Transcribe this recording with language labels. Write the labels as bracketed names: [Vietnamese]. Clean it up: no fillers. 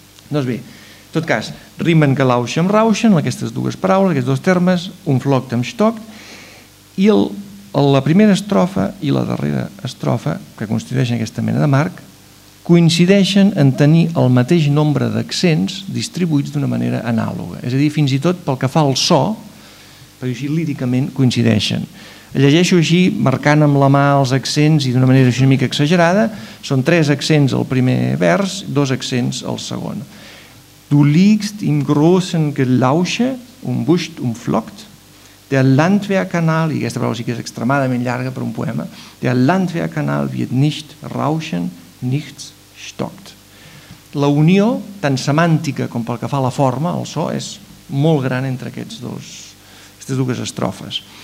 [Catalan] Doncs bé, en tot cas, rimen que lauscha amb rauschen, aquestes dues paraules, aquests dos termes, un flockt amb stockt, i la primera estrofa i la darrera estrofa, que constitueixen aquesta mena de marc, coincideixen en tenir el mateix nombre d'accents distribuïts d'una manera anàloga. És a dir, fins i tot pel que fa al so, per dir-ho així, líricament coincideixen. Llegeixo així, marcant amb la mà els accents i d'una manera així una mica exagerada, són tres accents al primer vers, dos accents al segon. [German] Du liegst im großen Gelausche, umbuscht, umflockt, der Landwehrkanal, [Catalan] i aquesta paraula sí que és extremadament llarga per un poema, [German] der Landwehrkanal wird nicht rauschen, nichts stockt. [Catalan] La unió, tant semàntica com pel que fa a la forma, el so, és molt gran entre aquestes dues estrofes.